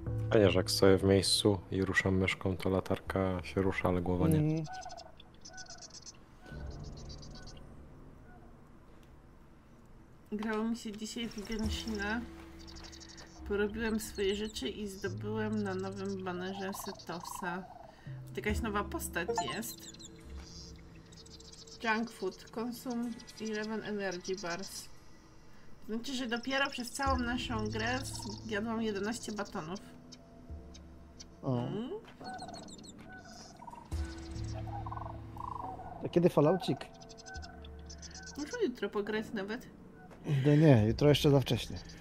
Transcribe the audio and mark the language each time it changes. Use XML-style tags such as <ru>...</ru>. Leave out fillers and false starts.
<pl>Pamiętasz, jak stoję w miejscu i ruszam myszką, to latarka się rusza, ale głowa nie. Grało mi się dzisiaj w Genshin'a. Porobiłem swoje rzeczy i zdobyłem na nowym banerze Setosa. Jakaś nowa postać jest.</pl> <en>Junk food, consume 11 energy bars.</en> <pl>Znaczy, że dopiero przez całą naszą grę zjadłam 11 batonów. A kiedy Falloutik? Muszę jutro pograć nawet. No nie, jutro jeszcze za wcześnie.</pl>